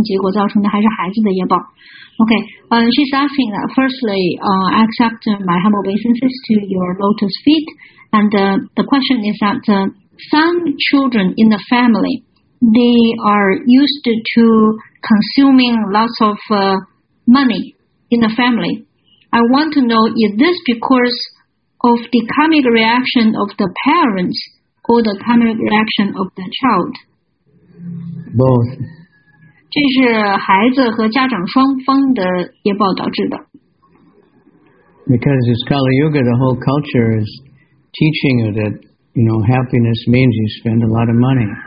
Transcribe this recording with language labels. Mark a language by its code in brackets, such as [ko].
[zh] OK，牧师呢就这一件，他就只能讲这么多了。然后这同一位这个奉献者，他就问到了：“Guru，顶拜Guru，的莲花族，请问有的家庭里的孩子总是在消耗钱财，这是家长的活动结果造成的，还是孩子的业报？” [en] OK， she's asking that firstly, accept my humble obeisances to your lotus feet. And the question is that some children in the family, they are used to consuming lots of money in the family. I want to know, is this because of the karmic reaction of the parents or the karmic reaction of the child? Both. [zh] 这是孩子和家长双方的业报导致的。 [en] Because it's Kali Yuga, the whole culture is teaching you that, you know, happiness means you spend a lot of money.